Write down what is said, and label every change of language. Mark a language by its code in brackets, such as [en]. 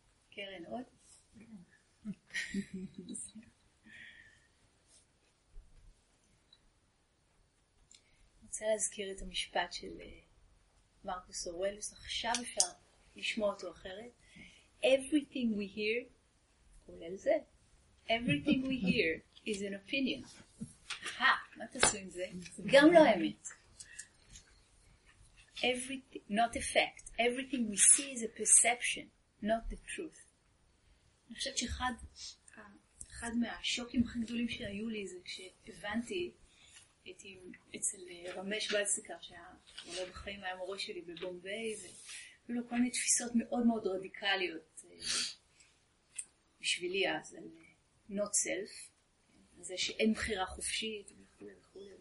[he] קרן, עוד? אני רוצה להזכיר את המשפט של מרקוס אורליוס. עכשיו אפשר לשמוע אותו אחרת. [en] Everything we hear, [he] כולל זה. [en] Everything we hear is an opinion. [he] Ha, מה תעשו עם זה? גם לא האמת. [en] Everything, not a fact. Everything we see is a perception, not the truth. [he] אני חושבת שאחד אחד מהשוקים הכי גדולים שהיו לי זה כשהבנתי, הייתי אצל רמש בלסיקר, שהיה עולה בחיים, היה מורה שלי בבומביי, והיו לו כל מיני תפיסות מאוד מאוד רדיקליות בשבילי אז, על not self, זה שאין בחירה חופשית וכו'.